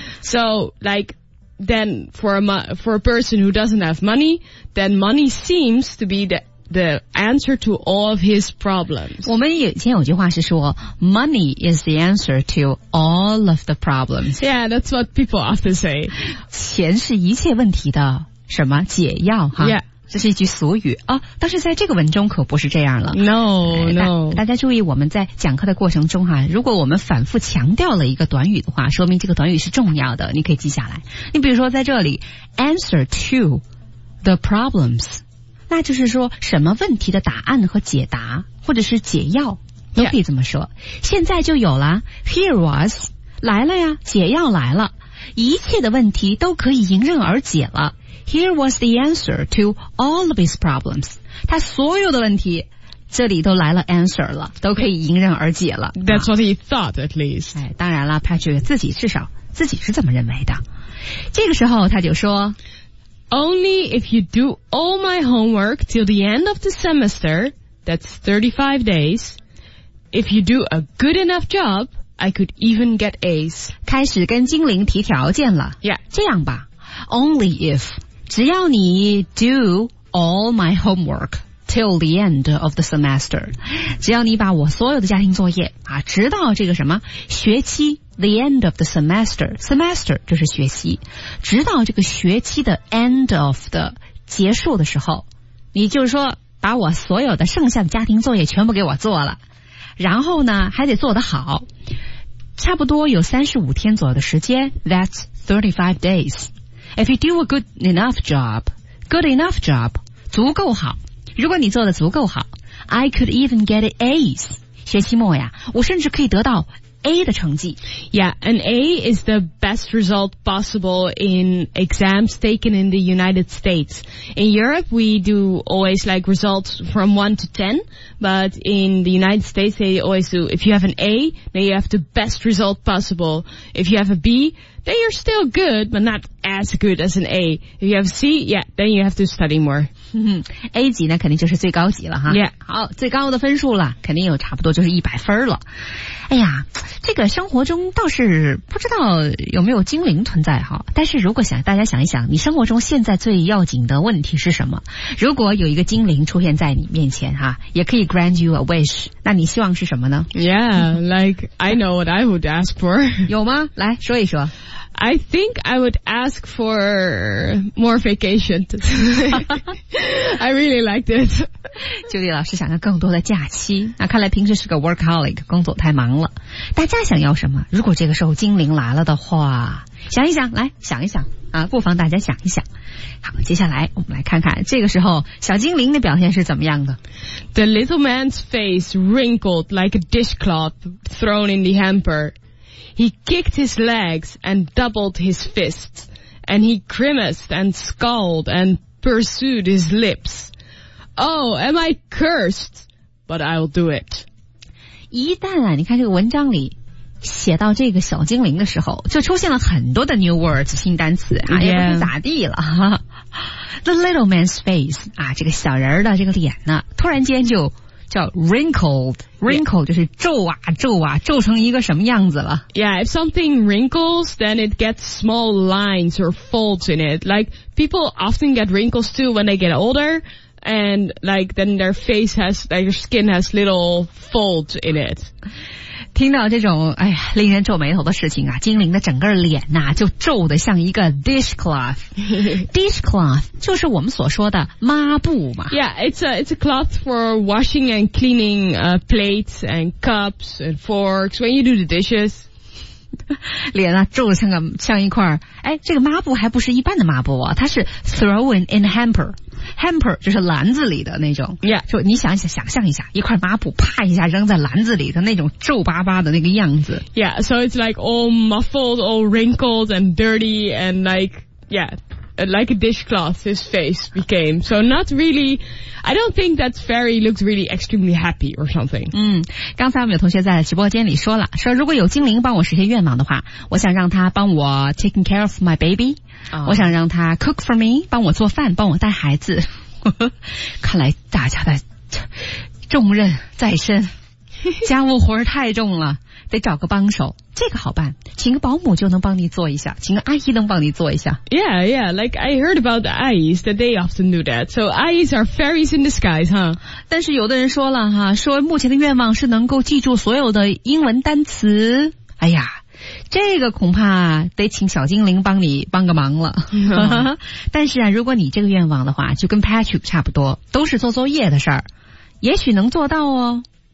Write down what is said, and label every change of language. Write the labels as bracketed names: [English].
[English] So, like, then for a person who doesn't have money, then money seems to be the answer to all of his problems. [Chinese] 我们以前有句话是说 [English] money is the answer to all of the problems. Yeah, that's what people often say. [Chinese] 钱是一切问题的。什么解药哈、 [English] yeah. [Chinese] 这是一句俗语啊、哦、但是在这个文中可不是这样了。 [English] No, [Chinese] 大家注意我们在讲课的过程中哈、啊、如果我们反复强调了一个短语的话说明这个短语是重要的你可以记下来。你比如说在这里 [English] answer to the problems, [Chinese] 那就是说什么问题的答案和解答或者是解药都可以这么说。 [English] Yeah. [Chinese] 现在就有了 [English] here was, [Chinese] 来了呀解药来了一切的问题都可以迎刃而解了。 [English] Here was the answer to all of his problems. [Chinese] 他所有的问题这里都来了 answer 了，都可以迎刃而解了。 [English] That's what he thought, at least. [Chinese] 哎，当然了 ，Patrick 自己至少自己是这么认为的。这个时候他就说 [English] ，Only if you do all my homework till the end of the semester, that's 35 days. If you do a good enough job, I could even get A's. [Chinese] 开始跟精灵提条件了。 [English] Yeah. [Chinese] 这样吧 [English] ，Only if [Chinese] 只要你 [English] do all my homework. Till the end of the semester. [Chinese] 只要你把我所有的家庭作业啊，直到这个什么学期 [English] the end of the semester. [Chinese] Semester 就是学期，直到这个学期的 end of 的结束的时候，你就是说把我所有的剩下的家庭作业全部给我做了，然后呢还得做得好，差不多有35天左右的时间。 [English] That's 35 days. If you do a good enough job, good enough job, [Chinese] 足够好，如果你做得足够好 [English] I could even get A's [Chinese] 学期末呀，我甚至可以得到 A 的成绩。 [English] Yeah, an A is the best result possible in exams taken in the United States. In Europe, we do always like results from 1 to 10, but in the United States, they always do, if you have an A, then you have the best result possible. If you have a B, then you're still good, but not as good as an A. If you have C, yeah, then you have to study more. [Chinese] A 级呢肯定就是最高级了哈。 [English] Yeah. [Chinese] 好，最高的分数了，肯定有差不多就是100分了。哎呀，这个生活中倒是不知道有没有精灵存在哈。但是如果想大家想一想，你生活中现在最要紧的问题是什么？如果有一个精灵出现在你面前哈，也可以 [English] grant you a wish， [Chinese] 那你希望是什么呢？ [English] Yeah, like I know what I would ask for. [Chinese] 有吗？来说一说。 [English] I think I would ask for more vacation. I really liked it. [Chinese] Julie 老师想要更多的假期，那看来平时是个 workaholic， 工作太忙了。大家想要什么？如果这个时候精灵来了的话，想一想，来想一想啊，不妨大家想一想。好，接下来我们来看看这个时候小精灵的表现是怎么样的。 [English] The little man's face wrinkled like a dishcloth thrown in the hamper. He kicked his legs and doubled his fists, and he grimaced and scowled and pursued his lips. Oh, am I cursed? But I'll do it. [Chinese] 一旦啊，你看这个文章里写到这个小精灵的时候，就出现了很多的 [English] new words [Chinese] 新单词啊， [English] yeah. [Chinese] 也不知咋地了。 [English] The little man's face [Chinese] 啊，这个小人的这个脸呢，突然间就。叫 wrinkled、 [English] yeah. [Chinese] 就是皱啊皱啊皱成一个什么样子了 [English] Yeah, if something wrinkles, then it gets small lines or folds in it. Like, people often get wrinkles too when they get older, and like, then their face has, like, their skin has little folds in it. [Chinese] 听到这种哎呀令人皱眉头的事情啊，精灵的整个脸呐、啊、就皱得像一个 dishcloth. dishcloth 就是我们所说的抹布嘛。 [English] Yeah, it's a cloth for washing and cleaning, plates and cups and forks when you do the dishes. [Chinese] 脸啊皱得像个像一块哎这个抹布还不是一般的抹布啊，它是 [English] thrown in a hamper. [Chinese] Hamper 就是篮子里的那种。 [English] Yeah. [Chinese] 就你想想想象一下一块抹布啪一下扔在篮子里的那种皱巴巴的那个样子。 [English] Yeah, so it's like all muffled, all wrinkled and dirty and like, yeah. Like a dishcloth, his face became. So not really, I don't think that fairy looks really extremely happy or something. [Chinese] 嗯，刚才我们有同学在直播间里说了，说如果有精灵帮我实现愿望的话，我想让他帮我 [English] taking care of my baby,、 [Chinese] 我想让他 [English] cook for me, [Chinese] 帮我做饭，帮我带孩子。看来大家的重任在身，家务活太重了。得找个帮手，这个好办，请个保姆就能帮你做一下，请个阿姨能帮你做一下。 [English] Yeah, yeah, like I heard about the Ais, that they often do that. So Ais are fairies in disguise, huh? [Chinese] 但是有的人说了哈，说目前的愿望是能够记住所有的英文单词。哎呀，这个恐怕得请小精灵帮你帮个忙了。但是啊，如果你这个愿望的话，就跟 Patrick 差不多，都是做作业的事儿，也许能做到哦。